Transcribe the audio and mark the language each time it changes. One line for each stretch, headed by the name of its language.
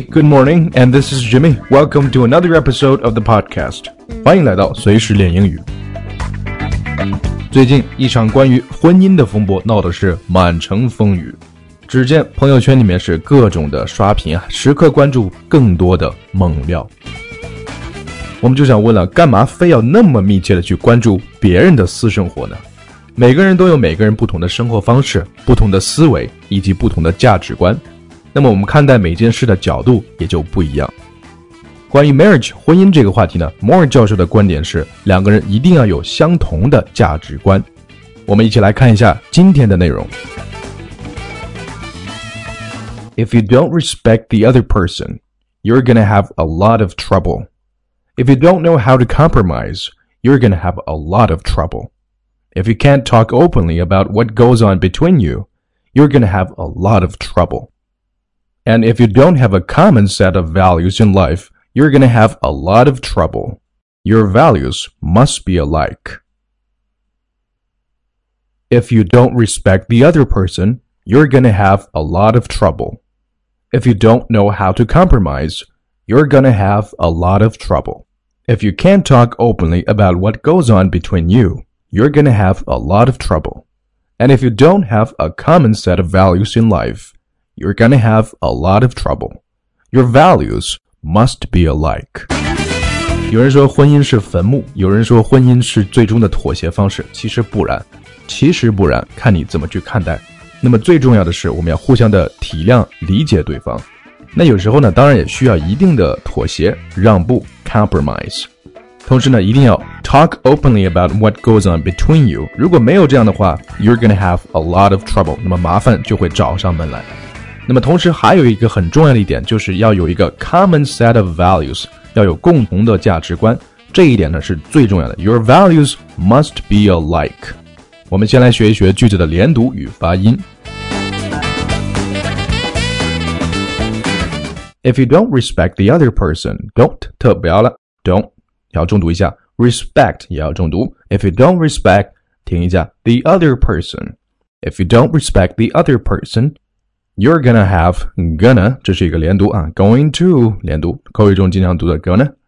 English: Good morning, and this is Jimmy. Welcome to another episode of the podcast.
Chinese: 欢迎来到随时练英语。最近一场关于婚姻的风波闹得是满城风雨，只见朋友圈里面是各种的刷屏，时刻关注更多的猛料。我们就想问了，干嘛非要那么密切的去关注别人的私生活呢？每个人都有每个人不同的生活方式，不同的思维，以及不同的价值观，那么我们看待每件事的角度也就不一样。关于 marriage 婚姻这个话题呢， Moore 教授的观点是两个人一定要有相同的价值观。我们一起来看一下今天的内容。
English: If you don't respect the other person, you're gonna have a lot of trouble. If you don't know how to compromise, you're gonna have a lot of trouble. If you can't talk openly about what goes on between you, you're gonna have a lot of trouble. And if you don't have a common set of values in lifeYou're gonna have a lot of trouble. Your values must be alike. If you don't respect the other person, you're gonna have a lot of trouble. If you don't know how to compromise, you're gonna have a lot of trouble. If you can't talk openly about what goes on between you, you're gonna have a lot of trouble. And if you don't have a common set of values in life, you're gonna have a lot of trouble. Your valuesMust be alike.
Chinese: 有人说婚姻是坟墓，有人说婚姻是最终的妥协方式，其实不然，其实不然，看你怎么去看待。那么最重要的是，我们要互相的体谅，理解对方。那有时候呢，当然也需要一定的妥协，让步 ，compromise。同时呢，一定要
English: talk openly about what goes on between you。
Chinese: 如果没有这样的话
English: ，you're gonna have a lot of trouble。
Chinese: 那么麻烦就会找上门来。那么同时还有一个很重要的一点，就是要有一个
English: common set of values，
Chinese: 要有共同的价值观，这一点呢是最重要的。
English: Your values must be alike。
Chinese: 我们先来学一学句子的连读与发音。
English: If you don't respect the other person， don't
Chinese: 特不要了， don't 要重读一下， respect 也要重读。
English: If you don't respect，
Chinese: 听一下，
English: the other person。 If you don't respect the other person You're gonna have,
Chinese: gonna, 这是一个连读啊
English: going to,
Chinese: 连读，口语中经常读的 gonna,